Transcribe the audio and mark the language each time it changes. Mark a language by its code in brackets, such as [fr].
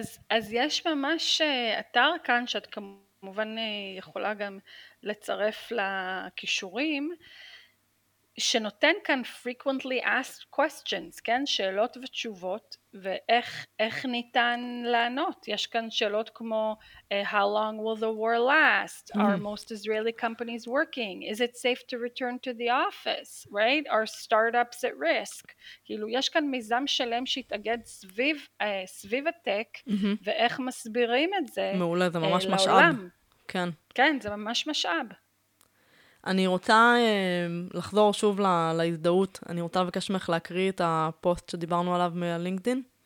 [he] אז יש ממש אתר כאן, שאת כמובן יכולה גם לצרף לכישורים, שנותן כאן [en] frequently asked questions, [he] כן? שאלות ותשובות, ואיך ניתן לענות. יש כאן שאלות כמו, [en] how long will the war last? Are most Israeli companies working? Is it safe to return to the office? Right? Are startups at risk? [he] כאילו, יש כאן מיזם שלם שהתאגד סביב, סביב הטק, ואיך מסבירים את זה לעולם. מעולה, זה ממש משאב. כן. כן, זה ממש משאב. אני רוצה לחזור שוב להזדהות. אני רוצה לבקש ממך להקריא את הפוסט שדיברנו עליו מלינקדין.